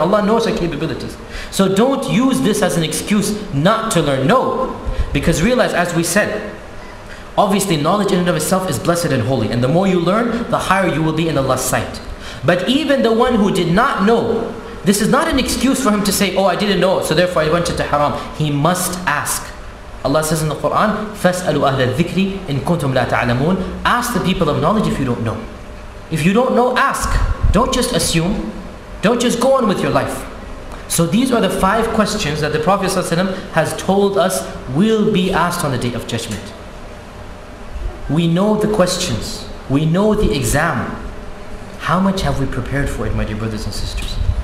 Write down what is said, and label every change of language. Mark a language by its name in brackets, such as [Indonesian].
[English] Allah knows our capabilities. So don't use this as an excuse not to learn. No. Because realize, as we said, obviously knowledge in and of itself is blessed and holy. And the more you learn, the higher you will be in Allah's sight. But even the one who did not know, this is not an excuse for him to say, oh, I didn't know, so therefore I went into haram. He must ask. Allah says in the Quran, [Arabic] فَاسْأَلُوا أَهْلَ الذِّكْرِ إِن كُنْتُمْ لَا تَعْلَمُونَ. [English] Ask the people of knowledge if you don't know. If you don't know, ask. Don't just assume. Don't just go on with your life. So these are the five questions that the Prophet ﷺ has told us will be asked on the Day of Judgment. We know the questions. We know the exam. How much have we prepared for it, my dear brothers and sisters?